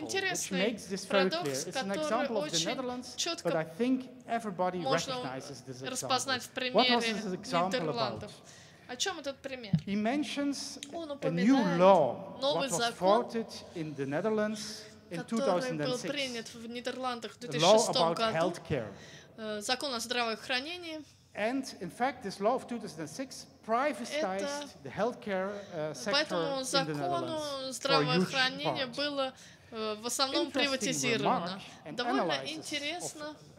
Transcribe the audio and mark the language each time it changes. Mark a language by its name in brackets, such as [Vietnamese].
[Russian] интересный парадокс, который очень четко можно распознать в примере Нидерландов. О чем этот пример? Он упоминает новый закон, который был принят в Нидерландах в 2006 году, закон о здравоохранении. [English] And in fact, this law of 2006 privatized the healthcare sector in the Netherlands. [Russian] Поэтому закону здравоохранения было в основном приватизировано. Довольно интересно.